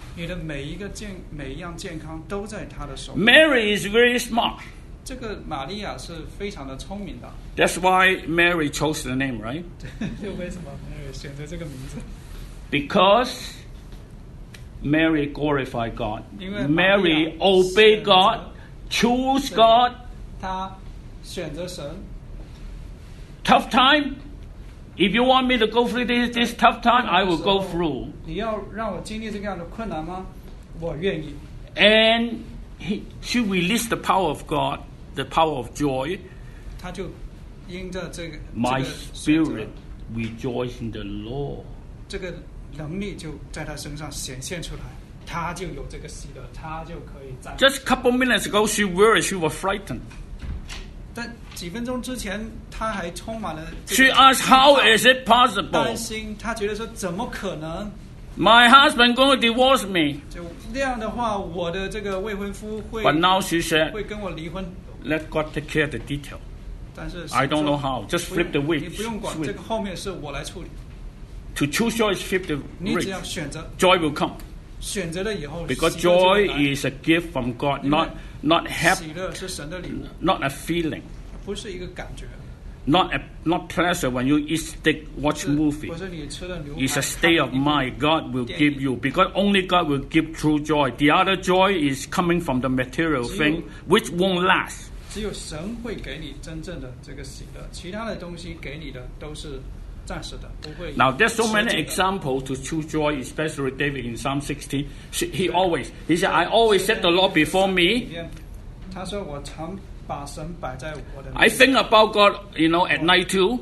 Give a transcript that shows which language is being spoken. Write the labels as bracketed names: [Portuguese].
[Chinese] 你的每一个健每一样健康都在他的手。 [English] Mary is very smart. [Chinese] 这个玛利亚是非常的聪明的。 [English] That's why Mary chose the name, right? [Chinese] 为什么？选择这个名字 [English] because Mary glorified God. Mary obeyed God, choose God. [Chinese] 她选择神 [English] Tough time. If you want me to go through this tough time, I will go through. [Chinese] 你要让我经历这样的困难吗？我愿意。 [English] And should we list the power of God, the power of joy? [Chinese] 他就因着这个 [English] My spirit rejoices in the Lord. [Chinese] 这个能力就在他身上显现出来，他就有这个喜乐，他就可以站。 [English] Just a couple minutes ago, she worried, she was frightened. [Chinese] 但几分钟之前，他还充满了。 [English] She asked, "How is it possible?" [Chinese] 担心，他觉得说，怎么可能 [English] ？My husband going to divorce me. [Chinese] 就那样的话，我的这个未婚夫会。 [English] But now she said, [Chinese] 会跟我离婚。 [English] Let God take care of the detail. [Chinese] 但是 [English] I don't know how. Just flip the switch. [Chinese] 你不用管，这个后面是我来处理。 [English] To choose your flip the switch. [Chinese] 你只要选择。 [English] Joy will come. [Chinese] 选择了以后 [English] Because joy is a gift from God, not happy, [Chinese] 喜乐是神的礼物 [English] not a feeling, [Chinese] 不是一个感觉 [English] not pleasure when you eat steak, watch movie, [Chinese] 或者你吃了牛排 [English] it's a state of mind God will give you, because only God will give true joy. The other joy is coming from the material thing, which won't last. [Chinese] 只有神会给你真正的这个喜乐，其他的东西给你的都是暂时的，不会。 [English] Now there's so many examples to choose joy, especially David in Psalm 16. He said, "I always set the Lord before me." [Chinese] 他说我常把神摆在我的。 [English] I think about God, you know, at night too.